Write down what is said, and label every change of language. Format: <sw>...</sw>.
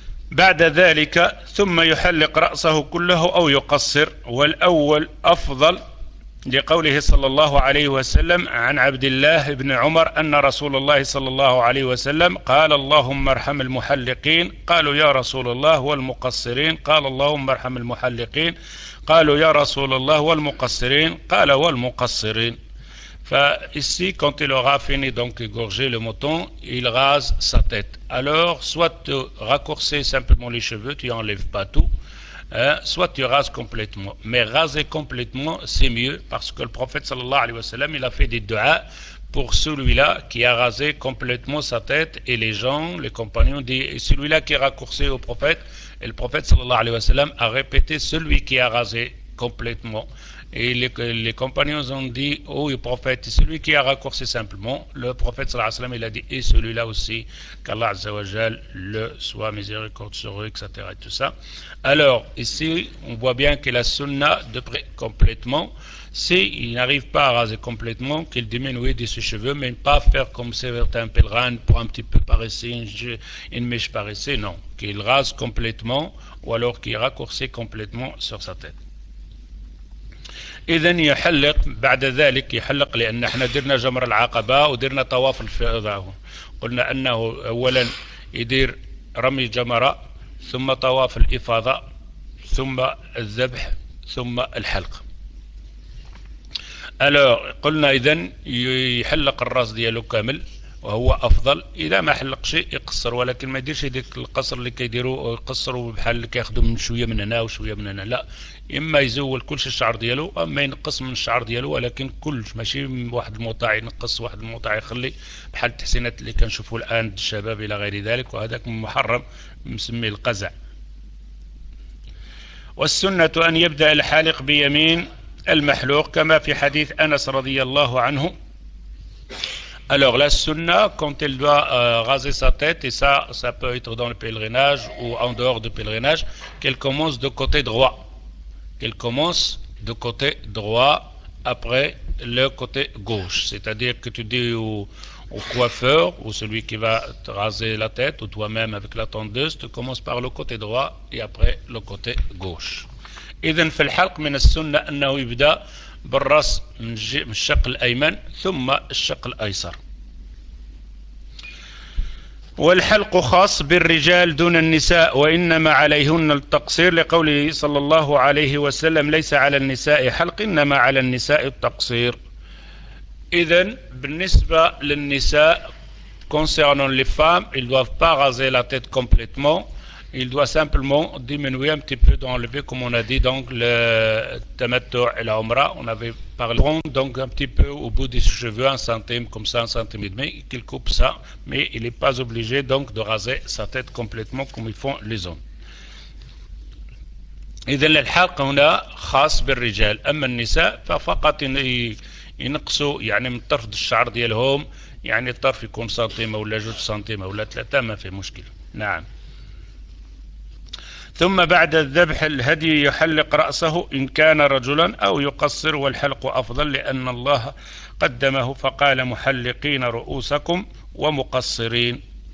<ar>بعد ذلك ثم يحلق رأسه كله أو يقصر، والأول أفضل لقوله صلى الله عليه وسلم عن عبد الله بن عمر أن رسول الله صلى الله عليه وسلم قال: اللهم ارحم المحلقين، قالوا يا رسول الله والمقصرين، قال: اللهم ارحم المحلقين، قالوا يا رسول الله والمقصرين، قال: والمقصرين. فإيسي كونت لو غافيني دونك غورجي لو موتون إل غاز سا تيت.</ar> <fr>Alors, soit tu raccourcis simplement les cheveux, tu n'enlèves pas tout, soit tu rases complètement. Mais raser complètement, c'est mieux, parce que le prophète, sallallahu alayhi wa sallam, il a fait des duas pour celui-là qui a rasé complètement sa tête, et les gens, les compagnons, disent, celui-là qui est raccourci au prophète, et le prophète, sallallahu alayhi wa sallam, a répété celui qui a rasé complètement. Et les compagnons ont dit, oh, le prophète, celui qui a raccourci simplement, le prophète sallallahu alayhi wa sallam, il a dit, et celui-là aussi, qu'Allah azza wa jal le soit miséricorde sur eux, etc. Et tout ça. Alors, ici, on voit bien que la sunna de près complètement, s'il n'arrive pas à raser complètement, qu'il diminue de ses cheveux, mais pas faire comme certains pèlerins pour un petit peu paresser, une mèche paresser, non. Qu'il rase complètement, ou alors qu'il raccourcit complètement sur sa tête.</fr> <ar>إذن يحلق بعد ذلك، يحلق لأن احنا درنا جمر العقبة ودرنا طواف الفضاء، قلنا أنه أولا يدير رمي جمرة ثم طواف الإفاضة ثم الذبح ثم الحلق. قلنا إذن يحلق الرأس ديالو كامل وهو أفضل، إذا ما حلق شيء يقصر، ولكن ما يديرش ديك القصر اللي كيديرو يقصروا بحال اللي كياخذوا من شوية من هنا وشوية من هنا، لا، إما يزول كل شيء الشعر ديالو، أما ينقص من الشعر ديالو، ولكن كل ماشي من واحد المقطع ينقص، واحد المقطع يخلي بحال التحسينات اللي كنشوفوا الآن الشباب إلى غير ذلك، وهذاك محرم مسمي القزع. والسنة أن يبدأ الحالق بيمين المحلوق كما في حديث أنس رضي الله عنه.</ar> <fr>Alors la sunna, quand elle doit raser sa tête, et ça peut être dans le pèlerinage ou en dehors du pèlerinage, qu'elle commence de côté droit. Qu'elle commence de côté droit après le côté gauche. C'est-à-dire que tu dis au coiffeur, ou celui qui va te raser la tête, ou toi-même avec la tondeuse, tu commences par le côté droit et après le côté gauche.</fr> <ar>Idhan fil halq min as-sunna annahu yibda بالرأس من الشق الأيمن ثم الشق الأيسر. والحلق خاص بالرجال دون النساء، وإنما عليهن التقصير لقوله صلى الله عليه وسلم: ليس على النساء حلق، إنما على النساء التقصير. إذن بالنسبة للنساء</ar> <fr>concernant les femmes, ils doivent pas raser la tête complètement. Il doit simplement diminuer un petit peu, d'enlever, comme on a dit, donc le tamattu et la omra. On avait parlé donc un petit peu au bout des cheveux, 1 centime, comme ça, 1 centime et demi, qu'il coupe ça. Mais il n'est pas obligé donc de raser sa tête complètement comme ils font les hommes.</fr> <ar>إذن الحلق هنا خاص بالرجال، أما النساء ففقط ينقصوا يعني من طرف الشعر ديالهم، يعني الطرف يكون سنتيمة ولا جوج سنتيمة ولا ثلاثة، ما في مشكلة. نعم. ثم بعد الذبح الهدي يحلق رأسه إن كان رجلا أو يقصر، والحلق أفضل لأن الله قدمه فقال محلقين رؤوسكم ومقصرين،</ar>